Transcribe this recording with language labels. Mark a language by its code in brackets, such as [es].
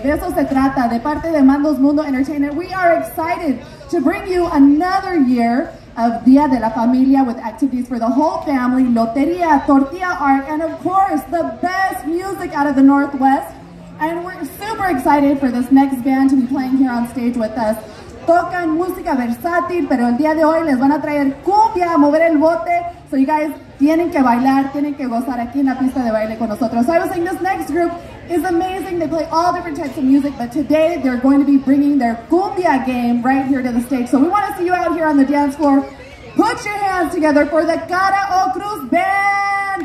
[es] De eso se trata, de parte de [en] Mandos Mundo Entertainment. We are excited to bring you another year of Dia de la Familia with activities for the whole family, lotería, tortilla art, and of course, the best music out of the Northwest. And we're super excited for this next band to be playing here on stage with us. [es] Tocan música versátil, pero el día de hoy les van a traer cumbia, a mover el bote. [en] So you guys [es] tienen que bailar, tienen que gozar aquí en la pista de baile con nosotros. [en] So I was saying this next group is amazing. They play all different types of music, but today they're going to be bringing their cumbia game right here to the stage. So we want to see you out here on the dance floor. Put your hands together for the Cara o Cruz Band.